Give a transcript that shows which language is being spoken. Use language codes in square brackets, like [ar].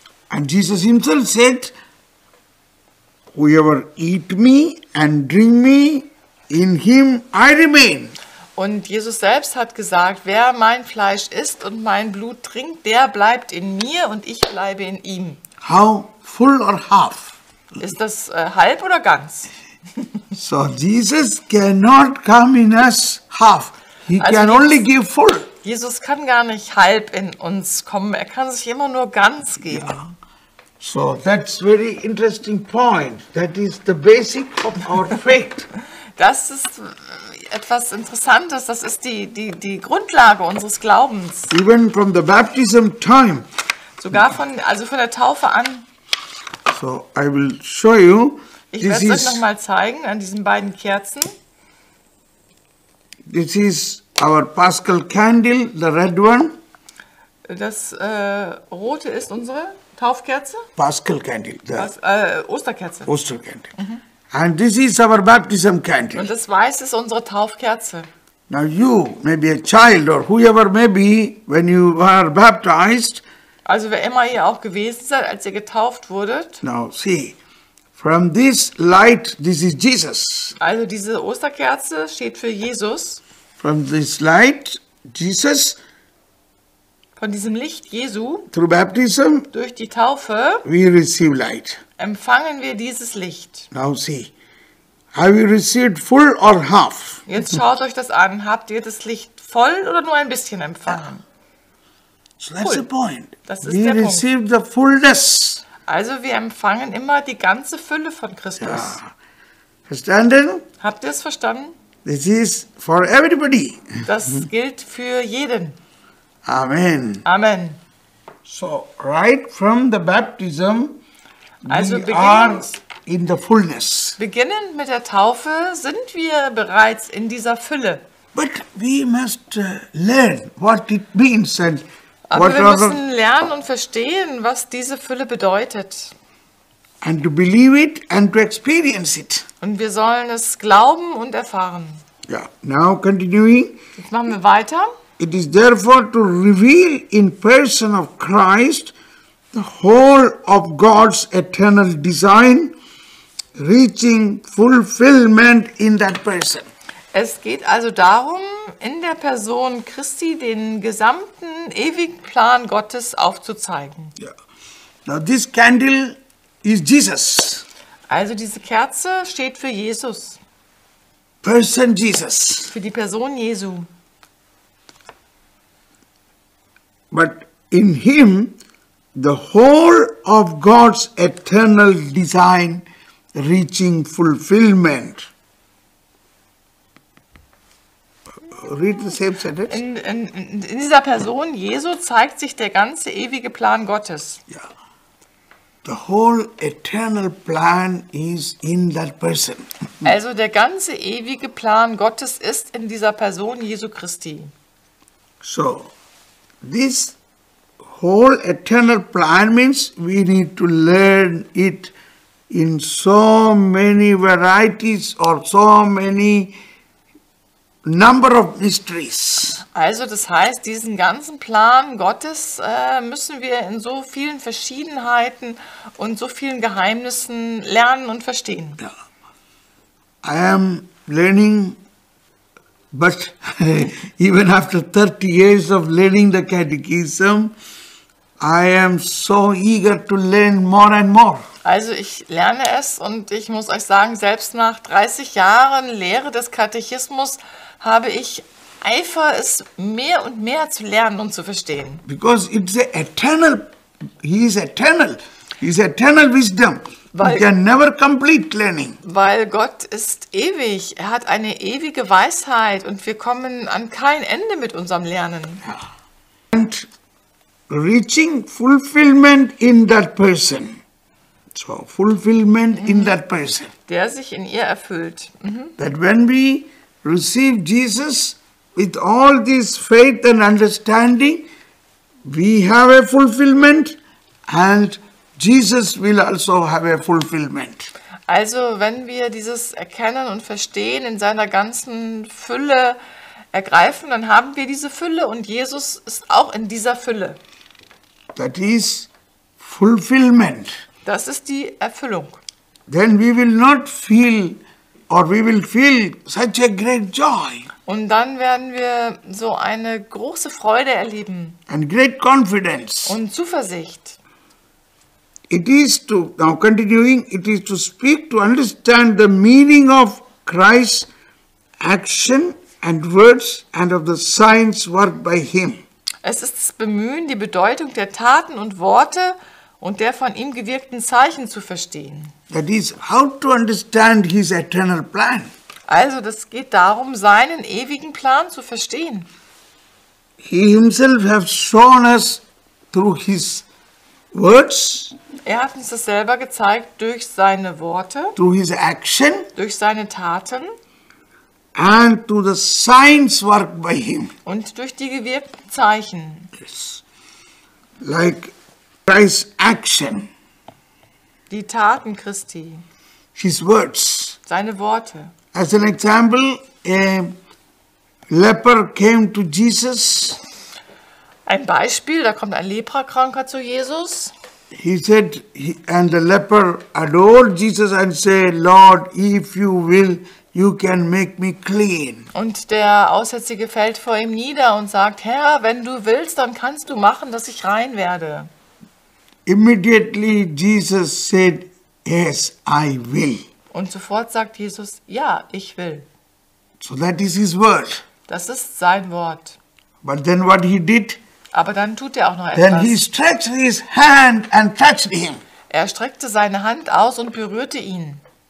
[en] And Jesus himself said, whoever eat me and drink me, in him I remain. [de] Und Jesus selbst hat gesagt, wer mein Fleisch isst und mein Blut trinkt, der bleibt in mir und ich bleibe in ihm. [en] How full or half? [de] Ist das halb oder ganz? [en] So Jesus cannot come in us half. He also can only give full. [de] Jesus kann gar nicht halb in uns kommen. Er kann sich immer nur ganz geben. Ja. [en] So that's very interesting point. That is the basic of our faith. [de] Das ist etwas Interessantes. Das ist die Grundlage unseres Glaubens. [en] Even from the baptism time. [de] Sogar von der Taufe an. [en] So I will show you. [de] Ich werde es euch noch mal zeigen an diesen beiden Kerzen. [en] This is our Paschal candle, the red one. [de] Das rote ist unsere Taufkerze. [en] Paschal candle. [de] Osterkerze. Osterkerze. Mm-hmm. [en] And this is our baptism candle. [de] Und das weiße ist unsere Taufkerze. [en] Now you, maybe a child or whoever maybe, when you were baptized. [de] Also wer immer ihr auch gewesen seid, als ihr getauft wurdet. [en] Now see. From this light, this is Jesus. [de] Also diese Osterkerze steht für Jesus. [en] From this light, Jesus. [de] Von diesem Licht Jesu. [en] Through baptism. [de] Durch die Taufe. [en] We receive light. [de] Empfangen wir dieses Licht. [en] Now see, have you received full or half? [de] Jetzt schaut euch das an. Habt ihr das Licht voll oder nur ein bisschen empfangen? [en] Ah. So that's the point. [de] Das ist [en] we [de] der Punkt. [en] We receive the fullness. [de] Also wir empfangen immer die ganze Fülle von Christus. Ja. Verstanden? Habt ihr es verstanden? [en] This is for everybody. [de] Das gilt für jeden. [en] Amen. [de] Amen. [en] So right from the baptism, [de] also [en] we are in the fullness. [de] Beginnend mit der Taufe sind wir bereits in dieser Fülle. [en] But we must learn what it means and [de] aber wir müssen lernen und verstehen, was diese Fülle bedeutet. [en] And to believe it and to experience it. [de] Und wir sollen es glauben und erfahren. [en] Ja, now continuing. [de] Jetzt machen wir weiter. [en] It is therefore to reveal in person of Christ the whole of God's eternal design, reaching fulfillment in that person. [de] Es geht also darum, in der Person Christi den gesamten ewigen Plan Gottes aufzuzeigen. [en] Yeah. Now this candle is Jesus. [de] Also diese Kerze steht für Jesus. [en] Person Jesus. [de] Für die Person Jesu. [en] But in him the whole of God's eternal design reaching fulfillment. Read the same sentence. [de] In dieser Person Jesu zeigt sich der ganze ewige Plan Gottes. [en] Yeah. The whole eternal plan is in that person. [de] Also der ganze ewige Plan Gottes ist in dieser Person Jesu Christi. [en] So, this whole eternal plan means we need to learn it in so many varieties or so many number of mysteries. [de] Also das heißt, diesen ganzen Plan Gottes müssen wir in so vielen Verschiedenheiten und so vielen Geheimnissen lernen und verstehen. [en] Yeah. I am learning, but even after 30 years of learning the catechism, I am so eager to learn more and more. [de] Also ich lerne es und ich muss euch sagen, selbst nach 30 Jahren Lehre des Katechismus habe ich Eifer, es mehr und mehr zu lernen und zu verstehen. [en] Because it's the eternal, he is eternal, he is eternal wisdom. [de] Weil, [en] you can never complete learning. [de] Weil Gott ist ewig, er hat eine ewige Weisheit und wir kommen an kein Ende mit unserem Lernen. [en] And reaching fulfillment in that person. So fulfillment in that person. [de] Der sich in ihr erfüllt. Mhm. [en] That when we receive Jesus with all this faith and understanding, we have a fulfillment and Jesus will also have a fulfillment. [de] Also wenn wir dieses Erkennen und Verstehen in seiner ganzen Fülle ergreifen, dann haben wir diese Fülle und Jesus ist auch in dieser Fülle. [en] That is fulfillment. [de] Das ist die Erfüllung. [en] Then we will not feel or we will feel such a great joy. [de] Und dann werden wir so eine große Freude erleben. [en] And great confidence. [de] Und Zuversicht. [en] It is to, now continuing, it is to speak to understand the meaning of Christ's action and words and of the signs worked by him. [de] Es ist das Bemühen, die Bedeutung der Taten und Worte und der von ihm gewirkten Zeichen zu verstehen. [en] That is how to understand his eternal plan. [de] Also, das geht darum, seinen ewigen Plan zu verstehen. [en] He himself has shown us through his words. [de] Er hat uns das selber gezeigt durch seine Worte. [en] Through his action. [de] Durch seine Taten. [en] And through the signs worked by him. [de] Und durch die gewirkten Zeichen. [en] Yes. Like Christ's action. [de] Die Taten Christi. [en] His words. [de] Seine Worte. [en] As an example, a leper came to Jesus. [de] Ein Beispiel, da kommt ein Leprakranker zu Jesus. [en] He said, and the leper adored Jesus and said, Lord, if you will, you can make me clean. [de] Und der Aussätzige fällt vor ihm nieder und sagt, Herr, wenn du willst, dann kannst du machen, dass ich rein werde. [en] Immediately Jesus said, yes, I will. [de] Und sofort sagt Jesus, ja, ich will. [en] So that is his word. [de] Das ist sein Wort. [en] But then what he did? [de] Aber dann tut er auch noch etwas. [en] Then he stretched his hand and touched him. [de] Er streckte seine Hand aus und berührte ihn.